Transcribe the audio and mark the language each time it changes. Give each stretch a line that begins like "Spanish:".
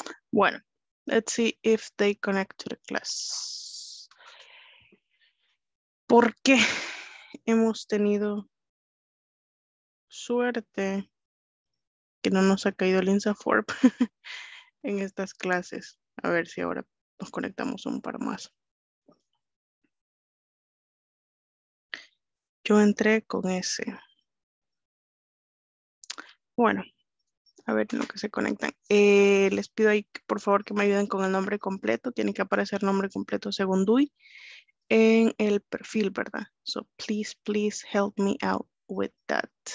English: Bueno, let's see if they connect to the class.
Spanish: ¿Por qué hemos tenido suerte que no nos ha caído el INSAFORP en estas clases? A ver si ahora nos conectamos un par más. Yo entré con ese. Bueno, a ver en lo que se conectan. Les pido ahí, por favor, que me ayuden con el nombre completo. Tiene que aparecer nombre completo según DUI en el perfil, ¿verdad?
English: So, please, please help me out with that.